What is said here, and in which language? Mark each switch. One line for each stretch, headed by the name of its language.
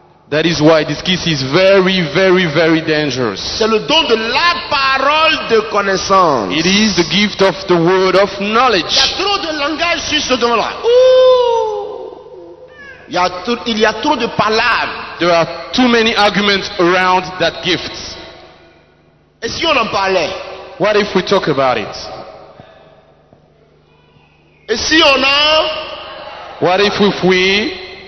English: That is why this kiss is very, very, very dangerous.
French: C'est le don de la parole de connaissance.
English: It is the gift of the word of knowledge.
French: Il y a trop de langage sur ce don-là. Il y a trop de paroles.
English: There are too many arguments around that gift.
French: Et si on en parlait?
English: What if we talk about it?
French: Et si on a?
English: What if we?